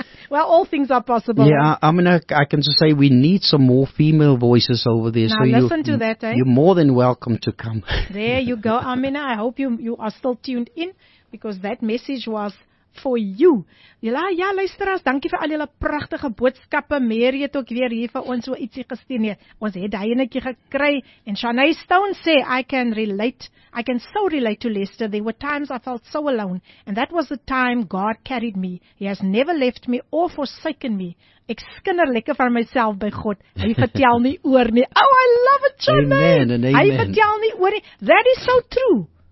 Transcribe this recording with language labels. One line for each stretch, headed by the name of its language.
English: Well, all things are possible. Yeah, Amina, I can just say we need some more female voices over there. Now, so listen to that, eh? You're more than welcome to come. There you go, Amina. I hope you are still tuned in, because that message was for you.
Afrikaans: Ja, luisteraars, dankie vir al julle pragtige boodskappe. Mary het ook weer hier vir ons so ietsie gestuur. Nee, ons het daai enetjie gekry.
English: En Shanae Stone
Afrikaans: sê,
English: I can so relate to Lester. There were times I felt so alone. And that was the time God carried me. He has never left me or forsaken me.
Afrikaans: Ek skinner lekker van myself by God. Hy vertel nie oor nie.
English: Oh, I love it, Shanae. Amen and amen.
Afrikaans: Hy vertel nie oor nie.
English: That is so true.